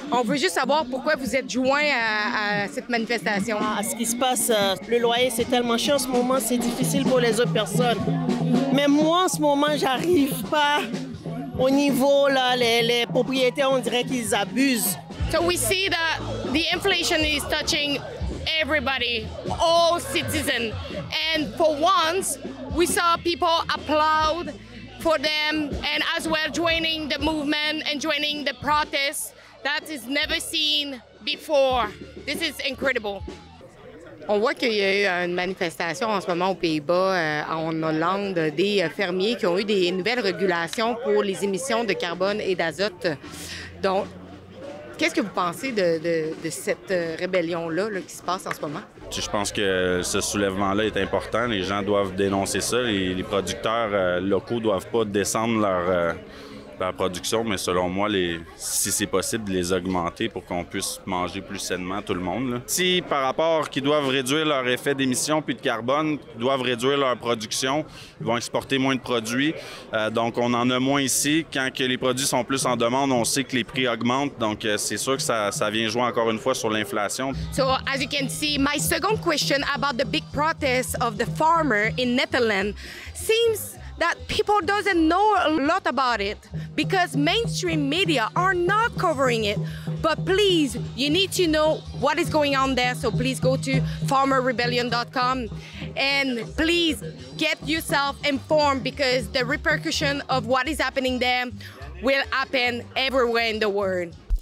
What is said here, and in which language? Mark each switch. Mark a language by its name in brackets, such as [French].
[French] On veut juste savoir pourquoi vous êtes joint à cette manifestation. À ce qui se passe, le loyer, c'est tellement cher en ce moment, c'est difficile pour les autres personnes. Mais moi, en ce moment, j'arrive pas au niveau, là, les propriétaires, on dirait qu'ils abusent. [English] So we see that the inflation is touching everybody, all citizens. And for once, we saw people applaud for them and as well joining the movement and joining the protest that is never seen before. This is incredible. [French] On voit qu'il y a eu une manifestation en ce moment aux Pays-Bas, en Hollande, des fermiers qui ont eu des nouvelles régulations pour les émissions de carbone et d'azote. Donc, qu'est-ce que vous pensez de cette rébellion-là là, qui se passe en ce moment? Je pense que ce soulèvement-là est important. Les gens doivent dénoncer ça. Les producteurs locaux ne doivent pas descendre leur production, mais selon moi, si c'est possible, les augmenter pour qu'on puisse manger plus sainement tout le monde. Là. Si par rapport qu'ils doivent réduire leur effet d'émission puis de carbone, doivent réduire leur production, ils vont exporter moins de produits. Donc, on en a moins ici. Quand que les produits sont plus en demande, on sait que les prix augmentent. Donc, c'est sûr que ça vient jouer encore une fois sur l'inflation. [English] So, as you can see, my second question about the big protest of the farmer in Netherlands seems that people doesn't know a lot about it because mainstream media are not covering it. But please, you need to know what is going on there. So please go to farmerrebellion.com and please get yourself informed because the repercussion of what is happening there will happen everywhere in the world.